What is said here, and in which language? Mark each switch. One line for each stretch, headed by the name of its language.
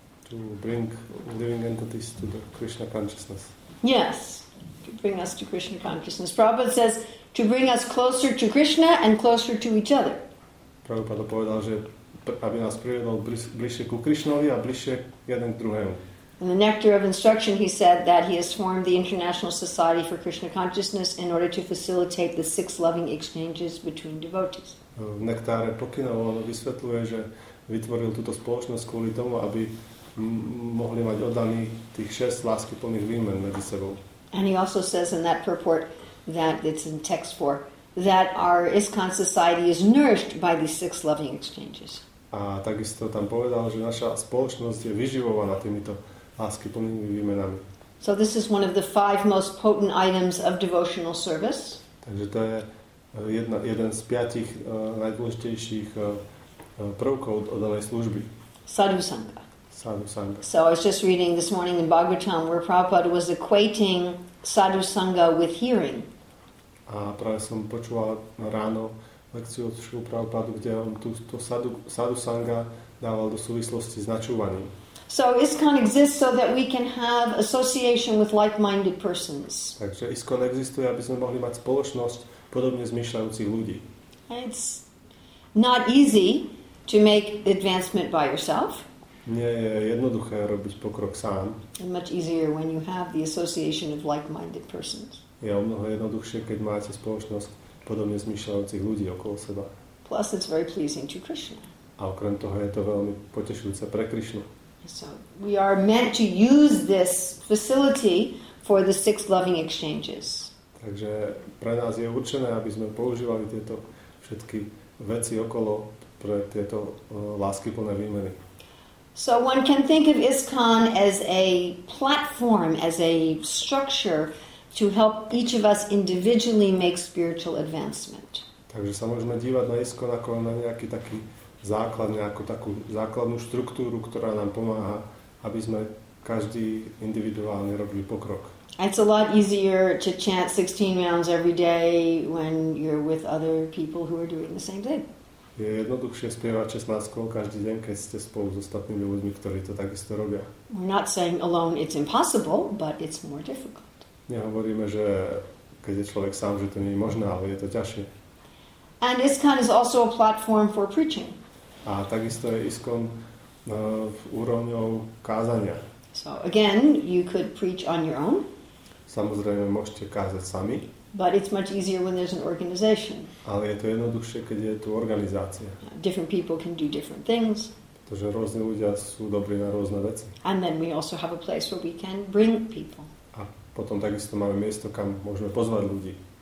English: To bring living entities to the Krishna consciousness. Yes, to bring us to Krishna consciousness. Prabhupada says to bring us closer to Krishna and closer to each other.
Slovak: Prabhupada povedal, že aby nás priviedol bližšie ku Krishnovi a bližšie jeden k druhému.
English: In the nectar of instruction, he said that he has formed the International Society for Krishna Consciousness in order to facilitate the six loving exchanges between devotees.
Slovak: V nektáre pokynov on vysvetľuje, že vytvoril túto spoločnosť kvôli tomu, aby mohli mať oddaný tých šest láskyplných výmen medzi sebou.
English: And he also says in that purport that it's in text 4 that our ISKCON society is nourished by these six loving exchanges.
Slovak: A takisto tam povedal, že naša spoločnosť je vyživovaná týmito láskyplnými výmenami.
English: So this is one of the five most potent items of devotional service.
Slovak: Takže to je jeden z piatich najdôležitejších prvkov oddanej služby.
English: Sadhusanga.
Slovak: Sadhusanga.
English: So I was just reading this morning in Bhagavatam where Prabhupada was equating sadhusanga with hearing.
Slovak: A práve som počúval ráno lekciu od Srila Prabhupada, kde on túto sadhusanga dával do súvislosti s načúvaním.
English: So ISKCON exists so that we can have association with like-minded persons.
Slovak: Takže ISKCON existuje, aby sme mohli mať spoločnosť podobne zmýšľajúcich ľudí.
English: It's not easy to make advancement by yourself.
Slovak: Nie je jednoduché robiť pokrok sám.
English: It's much easier when you have the association of like-minded persons.
Slovak: Je o mnoho jednoduchšie, keď máte spoločnosť podobne zmýšľajúcich ľudí okolo seba.
English: Plus it's very pleasing to Krishna.
Slovak: A okrem toho je to veľmi potešujúce pre Krishnu.
English: So we are meant to use this facility for the six loving exchanges.
Slovak: Takže pre nás je určené, aby sme používali tieto všetky veci okolo pre tieto láskyplné výmeny.
English: So one can think of ISKCON as a platform, as a structure to help each of us individually make spiritual advancement.
Slovak: Takže sa môžeme dívať na ISKCON ako na nejaký taký základ, nejakú takú základnú štruktúru, ktorá nám pomáha, aby sme každý individuálne robili pokrok.
English: It's a lot easier to chant 16 rounds every day when you're with other people who are doing the same thing.
Slovak: Je jednoduchšie spievať 16 kôl každý deň, keď ste spolu s ostatnými ľuďmi, ktorí to takisto robia.
English: We're not saying alone it's impossible, but it's more difficult.
Slovak: Nehovoríme, že keď je človek sám, že to nie je možné, ale je to ťažšie.
English: And ISKCON is also a platform for preaching.
Slovak: A takisto je ISKCON úrovňou kázania.
English: So again, you could preach on your own.
Slovak: Samozrejme, môžete kázať sami.
English: But it's much easier when there's an organization.
Slovak: Ale je to jednoduchšie, keď je tu organizácia.
English: Different people can do different things.
Slovak: Pretože rôzne ľudia sú dobrí na rôzne veci.
English: And then we also have a place where we can bring people.
Slovak: A potom takisto máme miesto, kam môžeme pozvať ľudí.